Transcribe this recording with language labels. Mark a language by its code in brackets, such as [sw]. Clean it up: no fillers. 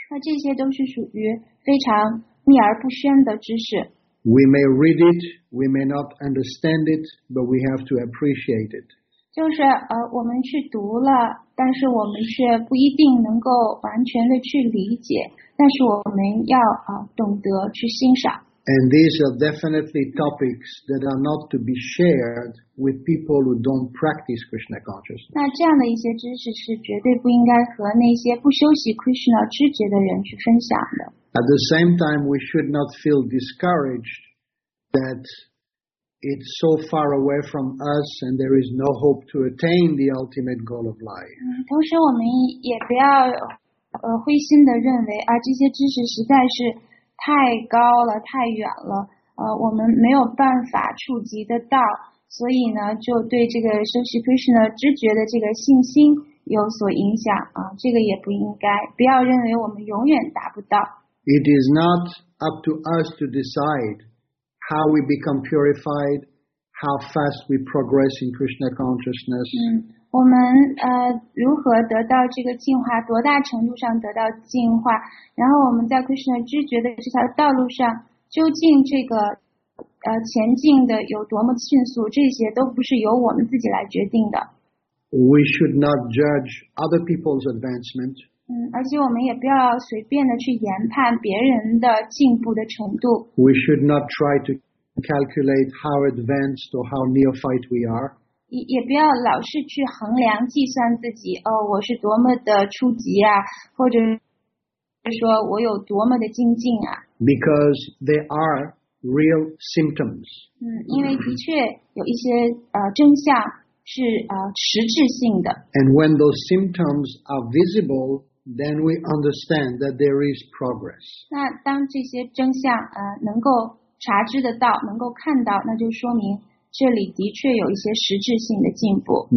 [zh] 那这些都是属于非常秘而不宣的知识 [en] We may read it, we may not understand it, but we have to appreciate it. [zh] 就是我们去读了，但是我们却不一定能够完全的去理解，但是我们要懂得去欣赏。 [en] And these are definitely topics that are not to be shared with people who don't practice Krishna consciousness. [zh] 那这样的一些知识是绝对不应该和那些不修习 Krishna 知觉的人去分享的。 [en] At the same time, we should not feel discouraged that it's so far away from us and there is no hope to attain the ultimate goal of life. [zh] 同时我们也不要灰心的认为啊这些知识实在是。太高了，太远了，我们没有办法触及得到，所以呢，就对这个修习 Krishna 知觉的这个信心有所影响啊，这个也不应该，不要认为我们永远达不到。 [en] It is not up to us to decide how we become purified, how fast we progress in Krishna consciousness. [zh] 我们如何得到这个净化，多大程度上得到净化，然后我们在 Krishna 知觉的这条道路上究竟这个前进的有多么迅速，这些都不是由我们自己来决定的。 [en] We should not judge other people's advancement. [zh] 而且我们也不要随便的去研判别人的进步的程度。 [en] We should not try to calculate how advanced or how neophyte we are. [zh] 也不要老是去衡量计算自己我是多么的初级啊，或者说我有多么的精进啊。 [en] Because there are real symptoms. [zh] 因为的确有一些征象是实质性的。 [en] And when those symptoms are visible, then we understand that there is progress. [zh] 那当这些征象能够察知得到，能够看到，那就说明。这里的确有一些实质性的进步。